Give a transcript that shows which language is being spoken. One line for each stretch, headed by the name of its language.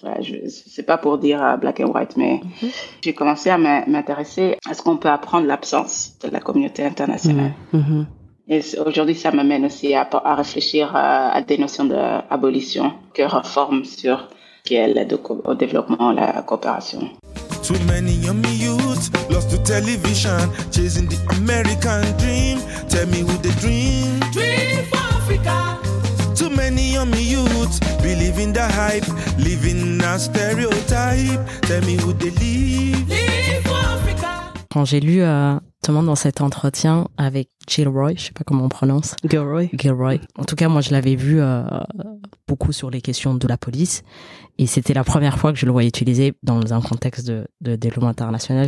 French: Voilà, c'est pas pour dire
English: black and white,
French: mais j'ai commencé à m'intéresser à ce qu'on peut apprendre l'absence de la communauté internationale. Et aujourd'hui, ça m'amène aussi à réfléchir à des notions d'abolition que reforme sur l'aide au développement, la coopération.
English: Too many young youths lost to television, chasing the American dream. Tell me who they dream. Dream for Africa. Too many young youths believe in the hype, living in a stereotype. Tell me who they live. Live for Africa.
French: Quand j'ai lu justement dans cet entretien avec Gilroy, je sais pas comment on prononce. Gilroy. En tout cas, moi, je l'avais vu beaucoup sur les questions de la police. Et c'était la première fois que je le voyais utilisé dans un contexte de développement international.